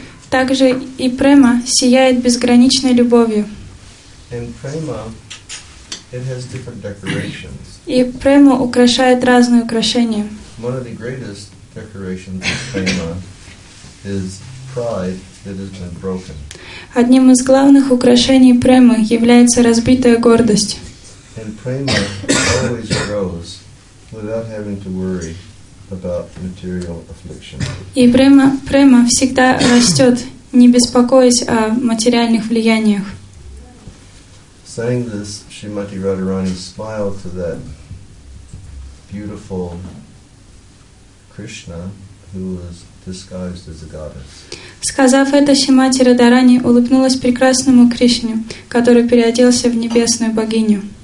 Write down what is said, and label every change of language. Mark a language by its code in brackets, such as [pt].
[ru] Также и према сияет безграничной любовью. [en] And prema, it has different decorations. [ru] И прему украшает разные украшения. [en] One of the greatest decorations of prema is pride that has been broken. [ru] Одним из главных украшений премы является разбитая гордость. [en] And prema always grows without having to worry about material affliction. [ru] И према всегда растет, не беспокоясь о материальных влияниях. [en] Saying this, Srimati Radharani smiled to that beautiful Krishna who was disguised as a goddess. [ru] Сказав это, Шримати Радарани улыбнулась прекрасному Кришне, который переоделся в небесную богиню.